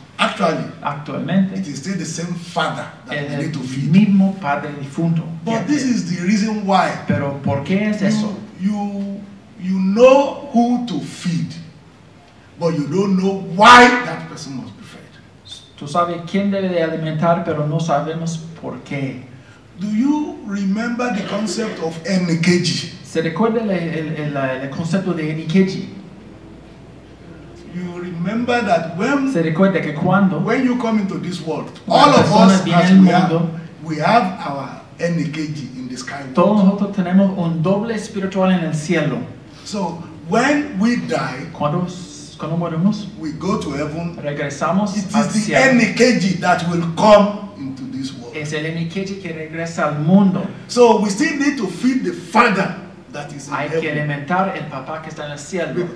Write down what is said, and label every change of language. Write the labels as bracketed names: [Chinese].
[Spanish] Actualmente, [English] it is still the same father that we need to feed. [Spanish] El mismo padre difunto. [English] But this is the reason why. [Spanish] Pero ¿por qué es eso? [English] You know who to feed, but you don't know why that person must be fed. [Spanish] Tú sabes quién debe de alimentar, pero no sabemos por qué. [English] Do you remember the concept of enkeji? [Spanish] ¿Se recuerda el concepto de enkeji? [English] You remember that when, [Spanish] ¿se recuerda que cuando, [English] when you come into this world, all of us, as we have our enkeji in the sky. [Spanish] Todos nosotros tenemos un doble espiritual en el cielo. [English] So when we die, [Spanish] cuando morimos, [English] we go to heaven. [Spanish] Regresamos al cielo. [English] It is the enkeji that will come into this world. [Spanish] es el Emiketi que regresa al mundo. [English] So we still need to feed the father that is in heaven. [Spanish] Hay que alimentar el papá que está en el cielo.